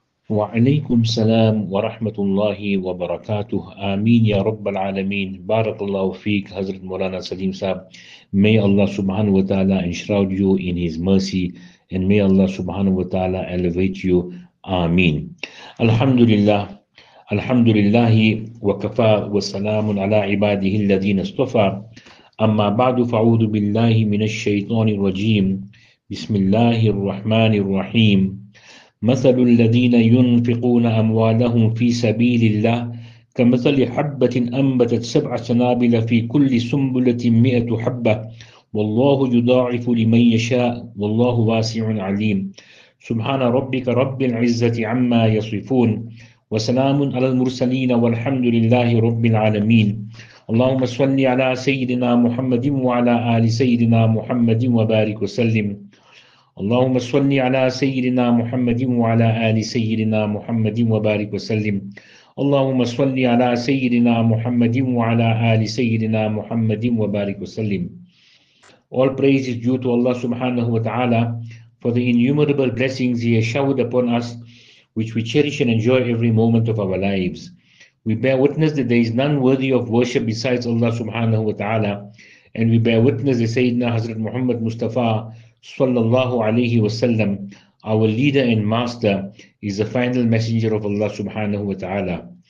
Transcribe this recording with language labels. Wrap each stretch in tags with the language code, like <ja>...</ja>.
<ar>وعليكم السلام ورحمة الله وبركاته. آمين يا رب العالمين. بارك الله فيك حضرت مولانا سليم صاحب.</ar> <en>May Allah subhanahu wa ta'ala enshroud you in his mercy and may Allah subhanahu wa ta'ala elevate you.</en> <ar>آمين. الحمد لله الحمد لله وكفى وسلام على عباده الذين اصطفى. أما بعد فأعوذ بالله من الشيطان الرجيم. بسم الله الرحمن الرحيم. مثل الذين ينفقون أموالهم في سبيل الله كمثل حبة أنبتت سبع سنابل في كل سنبلة 100 حبة والله يضاعف لمن يشاء والله واسع عليم. سبحان ربك رب العزة عما يصفون وسلام على المرسلين والحمد لله رب العالمين. اللهم صل على سيدنا محمد وعلى آل سيدنا محمد وبارك وسلم. اللهم صل على سيدنا محمد وعلى آل سيدنا محمد وبارك وسلم. اللهم صل على سيدنا محمد وعلى آل سيدنا محمد وبارك وسلم.</ar> <en>All praise is due to Allah subhanahu wa ta'ala for the innumerable blessings He has showered upon us, which we cherish and enjoy every moment of our lives. We bear witness that there is none worthy of worship besides Allah subhanahu wa ta'ala, and we bear witness that Sayyidina Hazrat Muhammad Mustafa sallallahu alayhi wa sallam, our leader and master, is the final messenger of Allah subhanahu wa ta'ala.</en>